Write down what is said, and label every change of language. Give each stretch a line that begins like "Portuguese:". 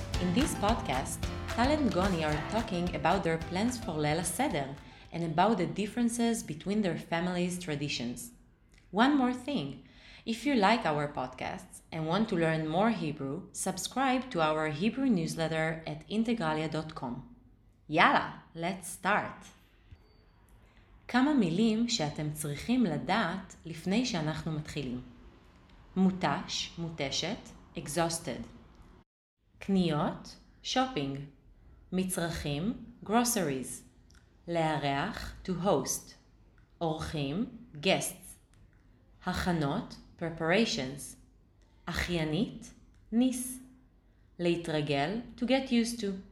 English: In this podcast, Tal and Goni are talking about their plans for Leila Seder and about the differences between their family's traditions. One more thing, if you like our podcasts and want to learn more Hebrew, subscribe to our Hebrew newsletter at integralia.com. Yala, let's start!
Hebrew: כמה מילים שאתם צריכים לדעת לפני שאנחנו מתחילים. מותש, מותשת, exhausted. קניות, shopping. מצרכים, groceries.
English: לארח, to host.
Hebrew: אורחים, guests. הכנות, preparations. אחיינית, niece.
English: להתרגל, to get used to.